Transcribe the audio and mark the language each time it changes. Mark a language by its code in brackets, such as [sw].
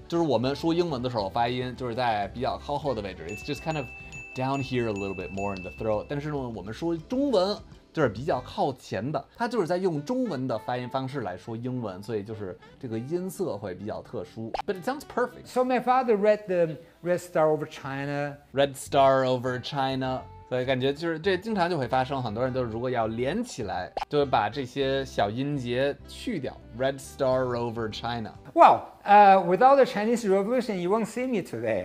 [zh] 就是我们说英文的时候发音就是在比较靠后的位置。 [en] It's just kind of down here a little bit more in the throat. [zh] 但是呢，我们说中文就是比较靠前的，他就是在用中文的发音方式来说英文，所以就是这个音色会比较特殊。 [en] But it sounds perfect. So my father read the Red Star over China. Red Star over China. [zh] 所以感觉就是这经常就会发生，很多人都如果要连起来，就会把这些小音节去掉。 [en] Red Star over China. Well, without the Chinese Revolution, you won't see me today.